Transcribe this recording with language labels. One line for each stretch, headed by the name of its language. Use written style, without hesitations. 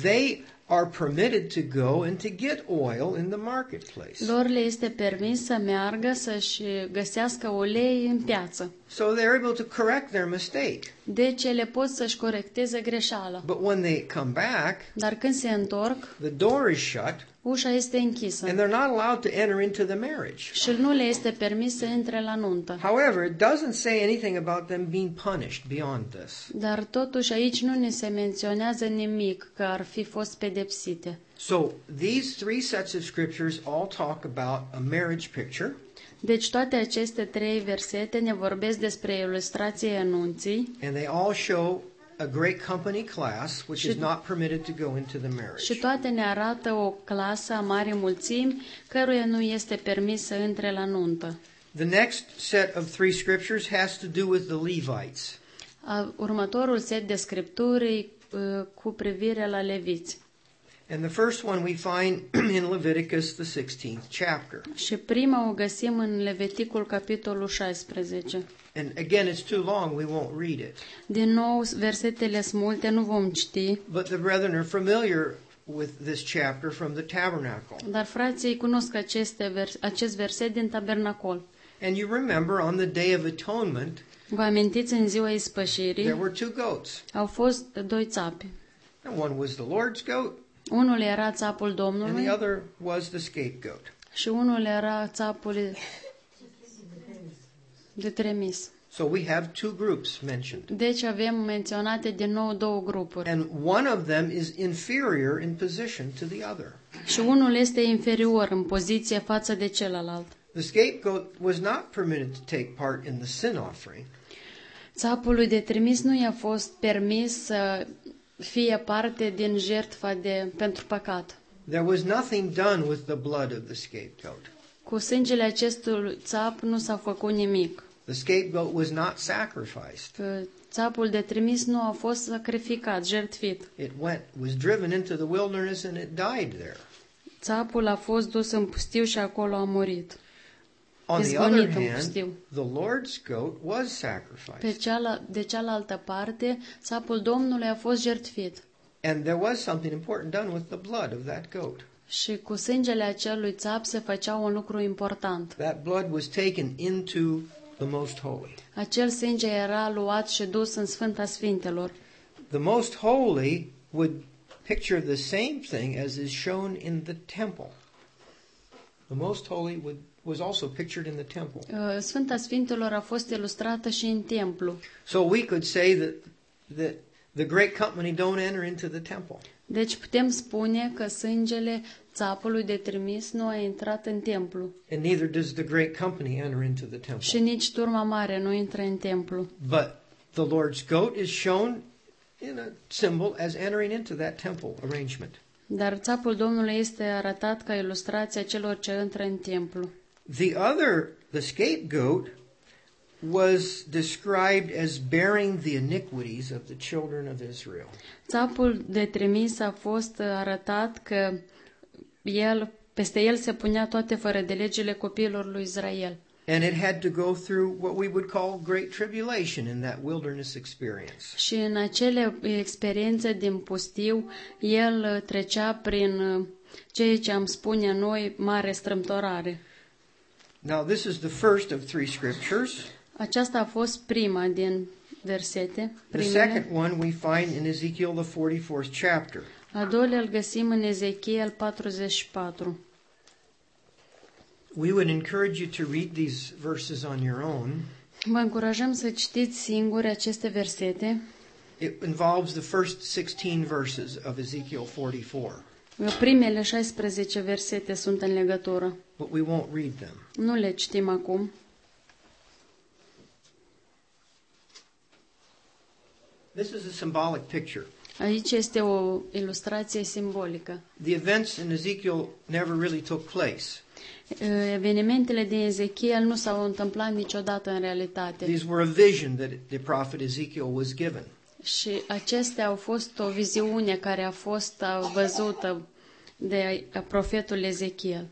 English: They are permitted to go and to get oil in the marketplace.
Romanian: Lor le este permis să meargă să-și găsească ulei în piață.
English: So they're able to correct their mistake.
Romanian: Deci ele pot să-și corecteze greșeala.
English: But when they come back,
Romanian: dar când se întorc,
English: the door is shut,
Romanian: ușa este închisă.
English: And they're not allowed to enter into the marriage.
Romanian: Și nu le este permis să intre la nuntă.
English: However, it doesn't say anything about them being punished beyond this.
Romanian: Dar totuși aici nu ne se menționează nimic că ar fi fost pedepsite.
English: So these three sets of scriptures all talk about a marriage picture.
Romanian: Deci toate aceste trei versete ne vorbesc despre ilustrația nunții.
English: And they all show a great company class which is not permitted to go into the marriage.
Romanian: Și toate ne arată o clasă a marii mulțimi căruia nu este permis să intre la nuntă.
English: The next set of three scriptures has to do with the Levites.
Romanian: Următorul set de scripturi cu privire la leviți.
English: And the first one we find in Leviticus the 16th chapter.
Romanian: Și prima o găsim în Leviticul capitolul 16.
English: And again it's too long, we won't read it.
Romanian: Din nou versetele sunt multe, nu vom citi.
English: But the brethren are familiar with this chapter from the tabernacle.
Romanian: Dar frații cunosc acest verset din tabernacol.
English: And you remember on the Day of Atonement,
Romanian: vă amintiți în ziua ispășirii,
English: there were two goats.
Romanian: Au fost doi țapi.
English: And one was the Lord's goat.
Romanian: Unul era țapul Domnului.
English: And the other was the scapegoat.
Romanian: Și unul era țapul de trimis.
English: So we have two groups mentioned.
Romanian: Deci avem menționate din nou două grupuri.
English: And one of them is inferior in position to the other.
Romanian: Și unul este inferior în poziție față de celălalt.
English: The scapegoat was not permitted to take part in the sin offering.
Romanian: Țapului de trimis nu i-a fost permis să fie parte din jertfa de pentru păcat.
English: There was nothing done with the blood of the scapegoat.
Romanian: Cu sângele acestui țap nu s-a făcut nimic.
English: The scapegoat was not sacrificed.
Romanian: Țapul de trimis nu a fost sacrificat, jertfit.
English: It went, was driven into the wilderness and it died there.
Romanian: Țapul a fost dus în pustiu și acolo a murit.
English: On the other hand, the Lord's goat was sacrificed.
Romanian: De cealaltă parte, țapul Domnului a fost jertfit.
English: And there was something important done with the blood of that goat.
Romanian: Și cu sângele acelui țap se făcea un lucru important.
English: That blood was taken into the Most Holy.
Romanian: Acel sânge era luat și dus în Sfânta Sfintelor.
English: The Most Holy would picture the same thing as is shown in the temple. The Most Holy was also pictured in the temple.
Romanian: Sfânta Sfintelor a fost ilustrată și în templu.
English: So we could say that the great company don't enter into the temple.
Romanian: Deci putem spune că sângele țapului de trimis nu a intrat în templu.
English: And neither does the great company enter into the temple.
Romanian: Și nici turma mare nu intră în templu.
English: But the Lord's goat is shown in a symbol as entering into that temple arrangement.
Romanian: Dar țapul Domnului este arătat ca ilustrația celor ce intră în templu.
English: The other, the scapegoat, was described as bearing the iniquities of the children of Israel.
Romanian: Țapul de trimis a fost arătat că peste el se punea toate fără de legile copiilor lui Israel.
English: And it had to go through what we would call great tribulation in that wilderness experience.
Romanian: Și în acele experiențe din pustiu, el trecea prin ceea ce am spune noi mare strâmtorare.
English: Now this is the first of three scriptures.
Romanian: Aceasta a fost prima din versete.
English: The second one we find in Ezekiel, the 44th chapter.
Romanian: A doua îl găsim în Ezechiel 44.
English: We would encourage you to read these verses on your own.
Romanian: Vă încurajăm să citiți singuri aceste versete.
English: It involves the first 16 verses of Ezekiel 44.
Romanian: Primele 16 versete sunt în legătură.
English: But we won't read them.
Romanian: Nu le citim acum.
English: This is a symbolic picture.
Romanian: Aici este o ilustrație simbolică.
English: The events in Ezekiel never really took place.
Romanian: Evenimentele din Ezechiel nu s-au întâmplat niciodată în realitate.
English: These were a vision that the prophet Ezekiel was given.
Romanian: Și acestea au fost o viziune care a fost văzută de profetul Ezechiel.